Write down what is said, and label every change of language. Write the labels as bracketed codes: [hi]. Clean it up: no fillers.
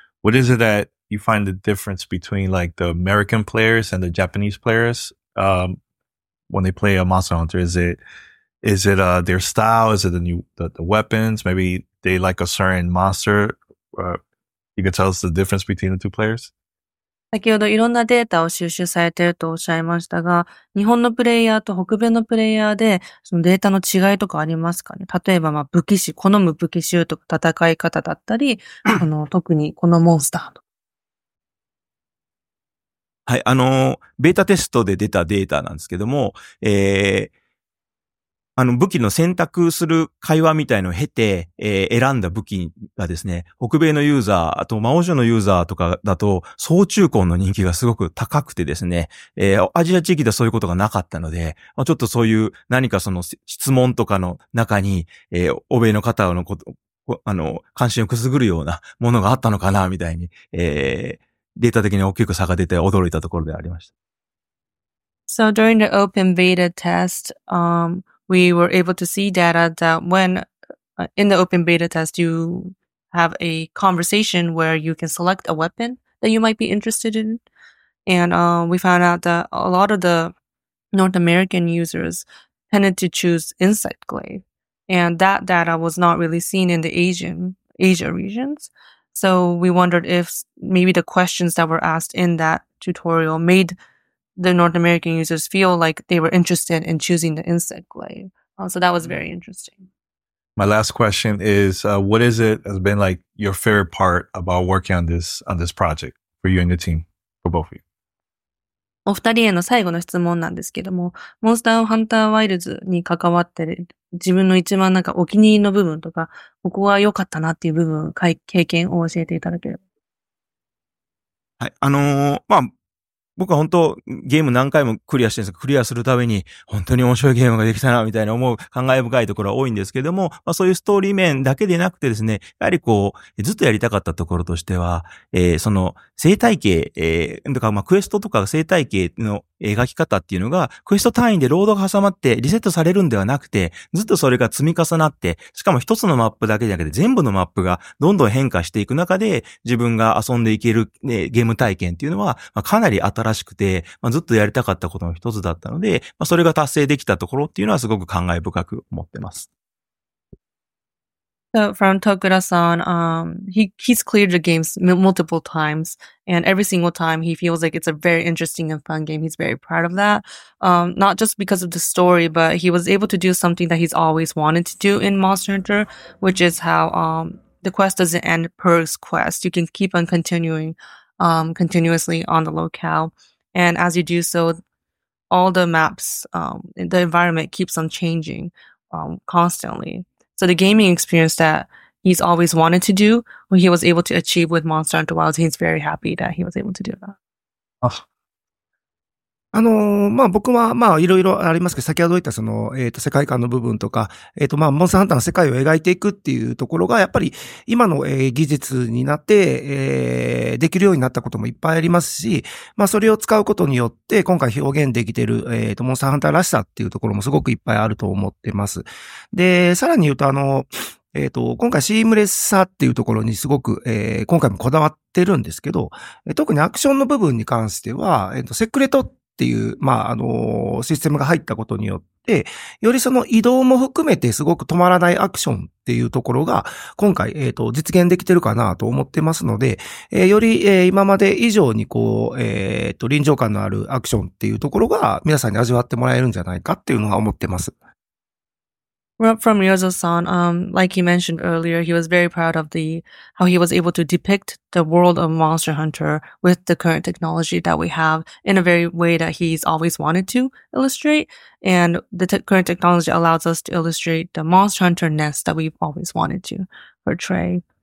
[en] What is it that you find the difference between like the American players and the Japanese players when they play a Monster Hunter? Is it their style? Is it the new weapons? Maybe they like a certain monster. You could tell us the difference between the two players. [ja] 先ほどいろんなデータを収集されているとおっしゃいましたが、日本のプレイヤーと北米のプレイヤーでそのデータの違いとかありますかね。例えばまあ武器種、好む武器種とか戦い方だったり、特にこのモンスターと。はい、ベータテストで出たデータなんですけども、武器の選択する会話みたいのを経て、選んだ武器がですね、北米のユーザー、あと魔王城のユーザーとかだと、総中高の人気がすごく高くてですね、アジア地域ではそういうことがなかったので、まあ、ちょっとそういう何かその質問とかの中に、欧米の方のこと、関心をくすぐるようなものがあったのかな、みたいに、データ的に大きく差が出て驚いたところでありました。 [en] So during the open beta test, we were able to see data that when in the open beta test, you have a conversation where you can select a weapon that you might be interested in. And we found out that a lot of the North American users tended to choose insect glaive. And that data was not really seen in the Asia regions. So we wondered if maybe the questions that were asked in that tutorial made the North American users feel like they were interested in choosing the insect glaive. So that was very interesting. My last question is, what is it has been like your favorite part about working on this project for you and the team, for both of you? [ja] お二人への最後の質問なんですけども、モンスターハンターワイルズに関わって自分の一番なんかお気に入りの部分とか、ここは良かったなっていう部分、経験を教えていただければ。はい、まあ、僕は本当ゲーム何回もクリアしてるんですが、クリアするたびに本当に面白いゲームができたなみたいな思う感慨深いところは多いんですけども、まあ、そういうストーリー面だけでなくてですね、やはりこうずっとやりたかったところとしては、その生態系、とかまあクエストとか生態系の描き方っていうのがクエスト単位でロードが挟まってリセットされるんではなくて、ずっとそれが積み重なって、しかも一つのマップだけじゃなくて全部のマップがどんどん変化していく中で自分が遊んでいける、ね、ゲーム体験っていうのは、まあ、かなり新しくて、まあ、ずっとやりたかったことの一つだったので、まあ、それが達成できたところっていうのはすごく感慨深く思ってます。 [en] So from Tokura-san, he's cleared the games multiple times, and every single time he feels like it's a very interesting and fun game. He's very proud of that. Not just because of the story, but he was able to do something that he's always wanted to do in Monster Hunter, which is how, the quest doesn't end per quest. You can keep on continuing, continuously on the locale. And as you do so, all the maps, the environment keeps on changing, constantly. So the gaming experience that he's always wanted to do, when he was able to achieve with Monster Hunter Wilds, he's very happy that he was able to do that. [ja] まあ、僕は、まあ、いろいろありますけど、先ほど言ったその、世界観の部分とか、まあ、モンスターハンターの世界を描いていくっていうところが、やっぱり、今の、技術になって、できるようになったこともいっぱいありますし、まあ、それを使うことによって、今回表現できている、モンスターハンターらしさっていうところもすごくいっぱいあると思ってます。で、さらに言うと、今回シームレスさっていうところにすごく、今回もこだわってるんですけど、特にアクションの部分に関しては、セクレトってっていう、まあ、システムが入ったことによって、よりその移動も含めてすごく止まらないアクションっていうところが、今回、実現できてるかなと思ってますので、より、今まで以上にこう、臨場感のあるアクションっていうところが、皆さんに味わってもらえるんじゃないかっていうのは思ってます。 [en] Well, from Ryozo-san, like he mentioned earlier, he was very proud of how he was able to depict the world of Monster Hunter with the current technology that we have in a very way that he's always wanted to illustrate. And the current technology allows us to illustrate the Monster Hunter nest that we've always wanted to portray.